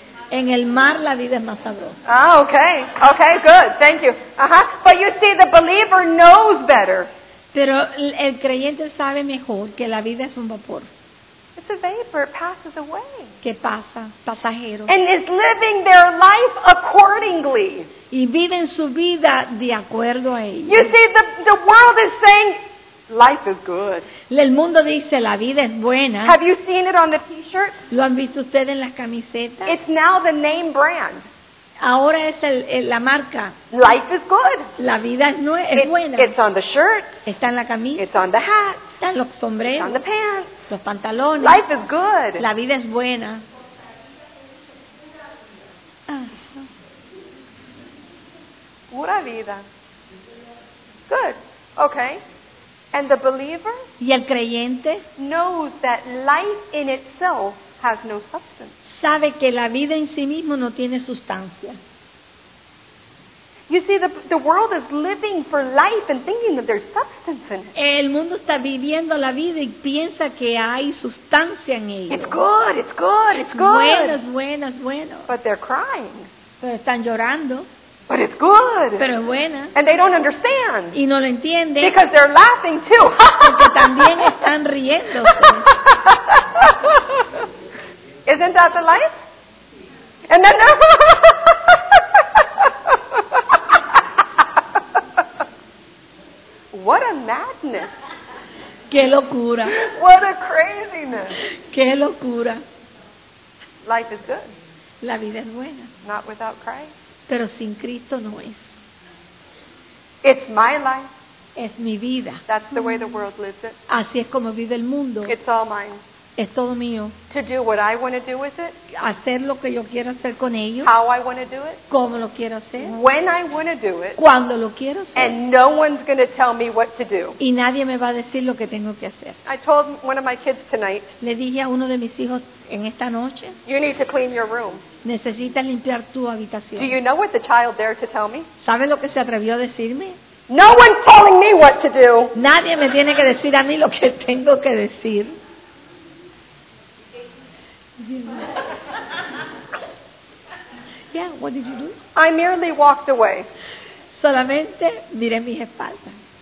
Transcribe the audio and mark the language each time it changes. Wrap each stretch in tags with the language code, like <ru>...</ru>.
<es>En el mar la vida es más sabrosa.</es> <en>Okay. Okay, good. Thank you. But you see, the believer knows better.</en> <es>Pero el creyente sabe mejor que la vida es un vapor.</es> <en>It's a vapor. It passes away.</en> <es>Que pasa. Pasajero.</es> <en>And is living their life accordingly.</en> <es>Y viven su vida de acuerdo a ella.</es> <en>You see, the world is saying, life is good.</en> <es>El mundo dice, la vida es buena.</es> <en>Have you seen it on the t-shirt?</en> <es>¿Lo han visto ustedes en las camisetas?</es> <en>It's now the name brand.</en> <es>Ahora es la marca.</es> <en>Life is good.</en> <es>La vida es buena.</es> <en>It's on the shirt.</en> <es>Está en la camisa.</es> <en>It's on the hat.</en> <es>Está en los sombreros.</es> <en>It's on the pants.</en> <es>Los pantalones.</es> <en>Life is good.</en> <es>La vida es buena. Pura vida.</es> <en>Good. Okay. And the believer?</en> <es>Y el creyente?</es> <en>Knows that life in itself has no substance.</en> <es>Sabe que la vida en sí mismo no tiene sustancia.</es> <en>You see, the world is living for life and thinking that there's substance in it.</en> <es>El mundo está viviendo la vida y piensa que hay sustancia en ello.</es> <en>It's good, it's good, it's good.</en> <es>Bueno, es bueno, es bueno.</es> <en>But they're crying.</en> <es>Pero están llorando.</es> <en>But it's good.</en> <es>Pero es buena.</es> <en>And they don't understand.</en> <es>Y no lo entienden.</es> <en>Because they're laughing too.</en> <es>Porque también están riendo.</es> <en>Isn't that the life? And then they're... What a madness.</en> <es>Qué locura.</es> <en>What a craziness.</en> <es>Qué locura.</es> <en>Life is good.</en> <es>La vida es buena.</es> <en>Not without Christ.</en> <es>pero sin Cristo no es.</es> <en>It's my life.</en> <es>Es mi vida.</es> <en>That's the way the world lives it.</en> <es>Así es como vive el mundo.</es> <en>It's all mine.</en> <es>Es todo mío.</es> <en>To do what I want to do with it.</en> <es>Hacer lo que yo quiero hacer con ello.</es> <en>How I want to do it.</en> <es>Cómo lo quiero hacer.</es> <en>When I want to do it.</en> <es>Cuando lo quiero hacer.</es> <en>And no one's going to tell me what to do.</en> <es>Y nadie me va a decir lo que tengo que hacer.</es> <en>I told one of my kids tonight.</en> <es>Le dije a uno de mis hijos en esta noche.</es> <en>You need to clean your room.</en> <es>Necesitas limpiar tu habitación.</es> <en>Do you know what the child dared to tell me?</en> <es>¿Sabe lo que se atrevió a decirme?</es> <en>No one's telling me what to do.</en> <es>Nadie me tiene que decir a mí lo que tengo que decir.</es> <en>Yeah, what did you do? I merely walked away.</en> <es>Solamente miré mis espaldas.</es>